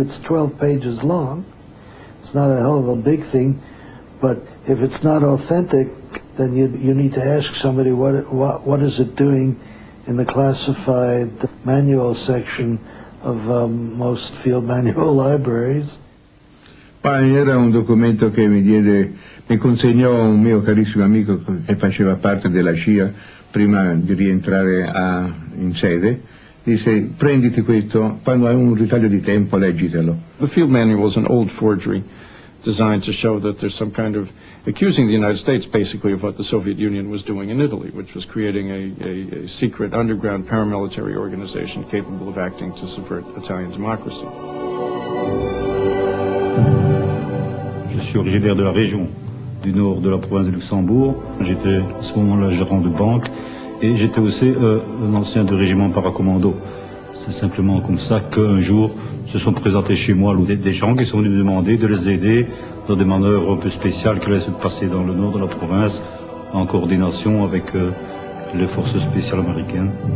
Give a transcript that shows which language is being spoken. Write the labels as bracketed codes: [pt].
[en] It's 12 pages long. It's not a hell of a big thing, but if it's not authentic, then you need to ask somebody what is it doing in the classified manual section of most field manual libraries. [it] Pine era un documento che mi consegnò un mio carissimo amico che faceva parte della CIA prima di rientrare in sede. Disse, prenditi questo, quando hai un ritaglio di tempo, leggitelo. [en] The field manual is an old forgery designed to show that there's some kind of accusing the United States basically of what the Soviet Union was doing in Italy, which was creating a secret underground paramilitary organization capable of acting to subvert Italian democracy. [fr] Je suis originaire de la région du nord de la province de Luxembourg. J'étais à ce moment-là gérant de banque et j'étais aussi un ancien de régiment paracommando. C'est simplement comme ça qu'un jour se sont présentés chez moi des gens qui sont venus me demander de les aider dans des manœuvres un peu spéciales qui allaient se passer dans le nord de la province en coordination avec les forces spéciales américaines.